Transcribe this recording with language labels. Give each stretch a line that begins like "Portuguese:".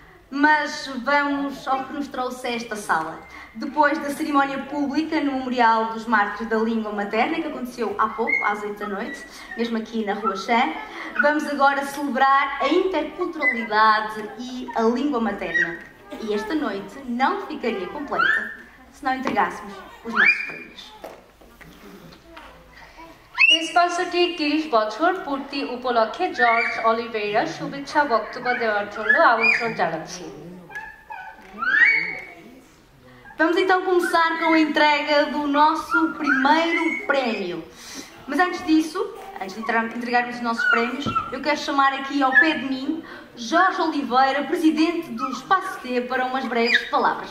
Portuguese: Mas vamos ao que nos trouxe esta sala. Depois da cerimónia pública no Memorial dos Mártires da Língua Materna, que aconteceu há pouco, às 8 da noite, mesmo aqui na Rua Xã, vamos agora celebrar a interculturalidade e a língua materna. E esta noite não ficaria completa se não entregássemos os nossos prêmios.
Bangla: স্পন্সরটি 30 বছর পূর্তি উপলক্ষে George Oliveira শুভেচ্ছা বক্তব্য দেওয়ার জন্য আমন্ত্রণ জানাচ্ছি।
Portuguese: Vamos então começar com a entrega do nosso primeiro prémio. Mas antes disso, antes de entregarmos os nossos prémios, eu quero chamar aqui ao pé de mim Jorge Oliveira, presidente do Espaço T, para umas breves palavras.